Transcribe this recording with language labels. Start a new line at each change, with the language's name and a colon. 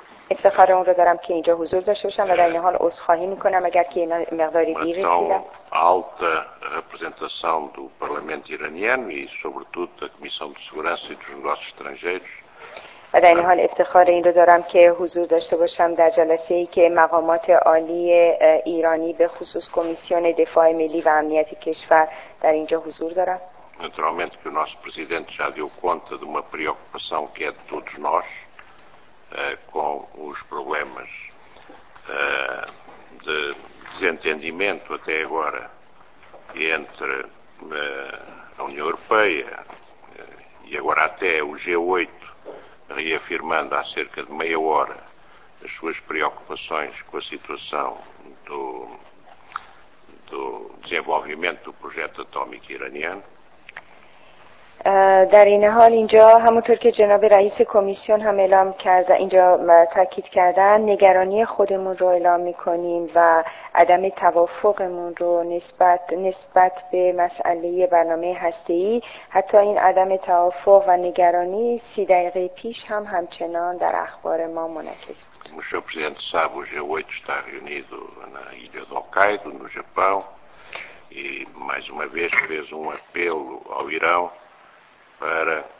Persian: افتخار اون رو دارم که اینجا حضور داشته باشم و در این حال عذرخواهی میکنم اگر که مقداری دیر رسیدم.
Portuguese: Então, alta representação do Parlamento iraniano e sobretudo da Comissão de Segurança e dos Negócios Estrangeiros.
Persian: و در این حال افتخار این رو دارم که حضور داشته باشم در جلسه ای که مقامات عالی ایرانی به خصوص کمیسیون دفاع ملی و امنیت کشور در اینجا حضور دارم.
Portuguese: Naturalmente que o nosso presidente já deu conta de uma preocupação que é de todos nós. Com os problemas de desentendimento até agora entre a União Europeia e agora até o G8, reafirmando há cerca de meia hora as suas preocupações com a situação do desenvolvimento do projeto atómico iraniano.
Persian: در این حال اینجا همونطور که جناب رئیس کمیسیون هم اعلام کرد، اینجا تاکید کردن، نگرانی خودمون رو اعلام میکنیم و عدم توافقمون رو نسبت به مسئله برنامه هسته‌ای. حتی این عدم توافق و نگرانی 30 دقیقه پیش هم همچنان در اخبار ما منعکس بود. مشاور پرزیدنت ساب و
Portuguese: G8 está reunido na ilha de Hokkaido no Japão e mais uma vez fez um apelo ao Irão para